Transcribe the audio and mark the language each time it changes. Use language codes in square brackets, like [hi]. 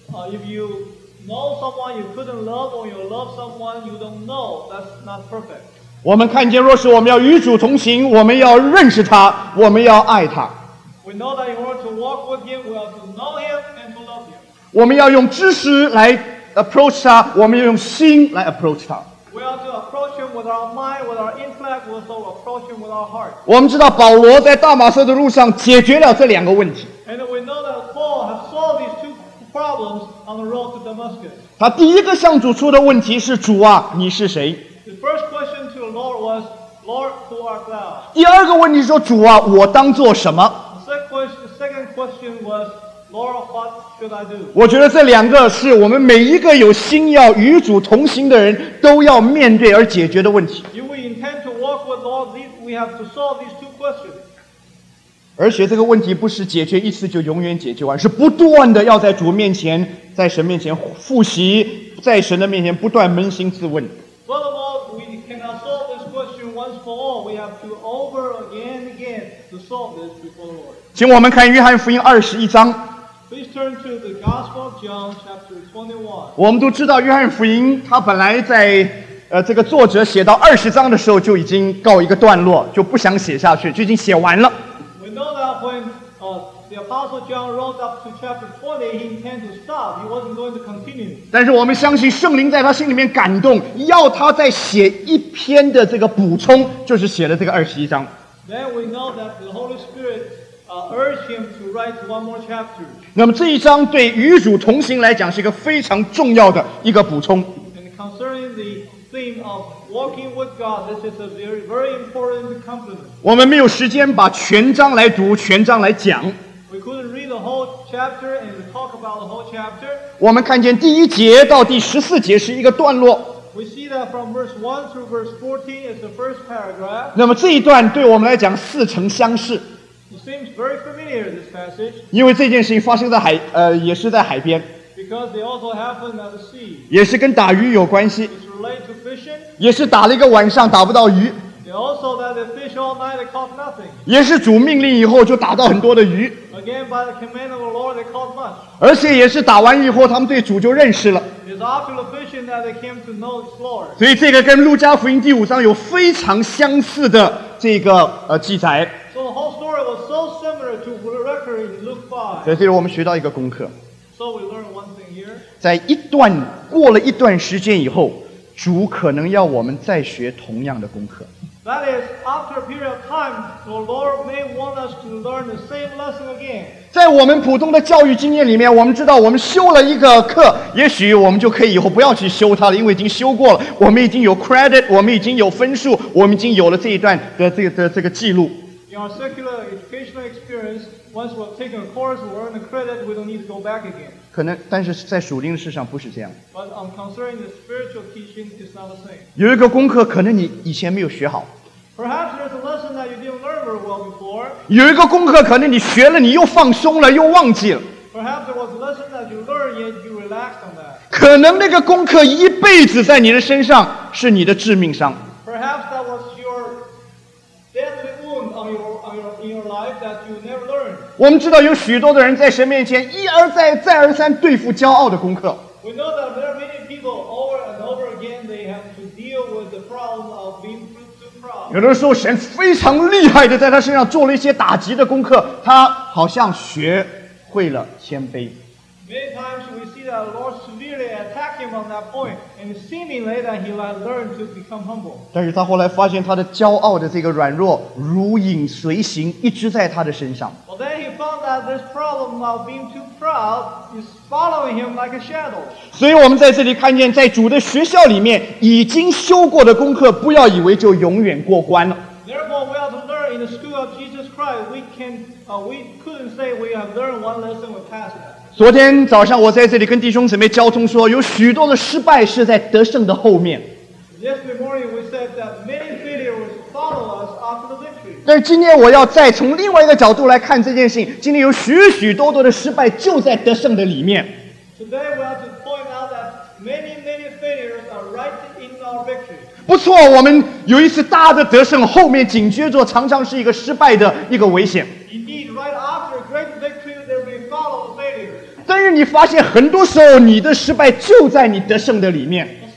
[en] If you know someone you couldn't love, or you love someone you don't know, that's not perfect. [zh] 我们看见，若是我们要与主同行，我们要认识他，我们要爱他。 [en] We know that in order to walk with Him, we have to know Him and to love Him. [zh] 我们要用知识来 approach 他，我们要用心来 approach 他。 [en] We have to approach Him with our mind, with our intellect, we also approach Him with our heart. [zh] 我们知道保罗在大马色的路上解决了这两个问题。 [en] And we know that Paul has solved these two problems on the road to Damascus. [zh] 他第一个向主出的问题是：主啊，你是谁？ [en] The first question to the Lord was, Lord, who art thou? [zh] 第二个问题说：主啊，我当做什么？ [en] Second question was, Lord, what should I do? [zh] 我觉得这两个是我们每一个有心要与主同行的人都要面对而解决的问题。 [en] If we intend to walk with Lord, we have to solve these two questions. [zh] 而且这个问题不是解决一次就永远解决完，是不断的要在主面前，在神面前复习，在神的面前不断扪心自问。 [en] Furthermore, we cannot solve this question once for all. We have to over again and again to solve this before the Lord. [zh] 请我们看约翰福音二十一章。 [en] Please turn to the Gospel of John, chapter 21. [zh] 我们都知道约翰福音，他本来在这个作者写到二十章的时候就已经告一个段落，就不想写下去，就已经写完了。 [en] We know that when the Apostle John wrote up to chapter 20, he intended to stop. He wasn't going to continue. [zh] 但是我们相信圣灵在他心里面感动，要他再写一篇的这个补充，就是写了这个二十一章。 [en] Then we know that the Holy Spirit. Urge him to write one more chapter. [zh] 那么这一章对与主同行来讲是一个非常重要的一个补充。 [en] And concerning the theme of walking with God, this is a very, very important component. [zh] 我们没有时间把全章来读，全章来讲。 [en] We couldn't read the whole chapter and talk about the whole chapter. [zh] 我们看见第一节到第十四节是一个段落。 [en] We see that from verse 1 through verse 14 is the first paragraph. [zh] 那么这一段对我们来讲似曾相识。 [en] Seems very familiar, this passage. [zh] 因为这件事情发生在海，也是在海边。 [en] Because they also happen at the sea. [zh] 也是跟打鱼有关系。 [en] It's related to fishing. [zh] 也是打了一个晚上打不到鱼。 [en] They also that they fish all night they caught nothing. [zh] 也是主命令以后就打到很多的鱼。 [en] Again, by the command of the Lord, they caught much. [zh] 而且也是打完以后他们对主就认识了。 [en] It's after the fishing that they came to know the Lord. [zh] 所以这个跟路加福音第五章有非常相似的这个记载。 [en] So the whole story was so similar to the record in Luke 5. [zh] 所以这是我们学到一个功课。 [en] So we learn one thing here. [zh] 在一段过了一段时间以后，主可能要我们再学同样的功课。 [en] That is, after a period of time, the Lord may want us to learn the same lesson again. [zh] 在我们普通的教育经验里面，我们知道我们修了一个课，也许我们就可以以后不要去修它了，因为已经修过了，我们已经有 credit, 我们已经有分数，我们已经有了这一段的这个记录。 [en] In our secular educational experience, once we've taken a course, we earn a credit, we don't need to go back again. [zh] 可能，但是在属灵的事上不是这样。 [en] But on concerning the spiritual teaching, it's not the same. [zh] 有一个功课可能你以前没有学好。 [en] Perhaps there's a lesson that you didn't learn very well before. [zh] 有一个功课可能你学了你又放松了又忘记了。 [en] Perhaps there was a lesson that you learned yet you relaxed on that. [zh] 可能那个功课一辈子在你的身上是你的致命伤。 [en] Perhaps that was your deadly wound on your life that you never learned. [zh] 我们知道有许多的人在神面前一而再再而三对付骄傲的功课。 [en] We know that there are many people over and over again they have to deal with the problem of being fruitful. [zh] 有的时候神非常厉害的在他身上做了一些打击的功课，他好像学会了谦卑。 [en] Many times we see that the Lord severely attacked him on that point, and seemingly that he had learned to become humble. [zh] 但是他后来发现他的骄傲的这个软弱如影随形，一直在他的身上。 [en] Well, then he found that this problem of being too proud is following him like a shadow. [zh] 所以我们在这里看见，在主的学校里面已经修过的功课，不要以为就永远过关了。 [en] Therefore, we have to learn in the school of Jesus Christ. We couldn't say we have learned one lesson and passed it. [zh] 昨天早上我在这里跟弟兄姊妹交通说，有许多的失败是在得胜的后面。 [en] Yesterday morning we said that many failures follow us after the victory. [zh] 但是今天我要再从另外一个角度来看这件事情，今天有许许多多的失败就在得胜的里面。 [en] Today we have to point out that many, many failures are right in our victory. [zh] 不错，我们有一次大的得胜，后面紧接着常常是一个失败的一个危险。 [en] Indeed, right after a great victory, there will be follow failure. [zh] 但是你发现很多时候你的失败就在你得胜的里面。